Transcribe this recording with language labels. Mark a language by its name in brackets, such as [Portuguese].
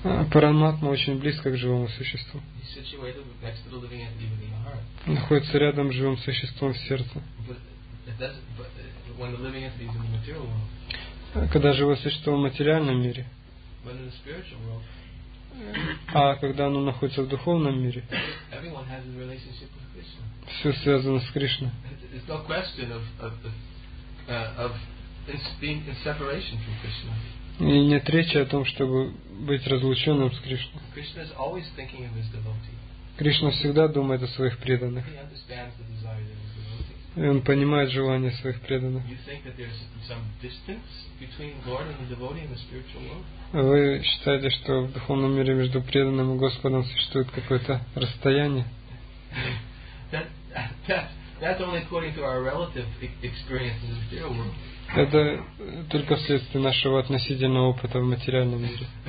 [Russian] Параматма очень близко к живому существу. [English] He's situated next to the living entity within the heart. [Russian] Находится рядом с живым существом в сердце. [English] But when the living entity is in the material world. [Russian] Когда живое существо в материальном мире. [English] When in the spiritual world. [Russian] А когда оно находится в духовном мире. [English] Everyone has a relationship with Krishna. [Russian] Все связано с Кришной. [English] There's no question of being in separation from Krishna. [Russian] И нет речи о том, чтобы быть разлученным с Кришной. [English] Krishna is always thinking of his devotee. [Russian] Кришна всегда думает о своих преданных. [English] He understands the desire of his devotee. [Russian] И он понимает желание своих преданных. [English] You think that there's some distance between Lord and the devotee in the spiritual world? [Russian] Вы считаете, что в духовном мире между преданным и Господом существует какое-то расстояние? [English] That's only according to our relative experience in the material world. [Russian] Это только вследствие нашего относительного опыта в материальном мире.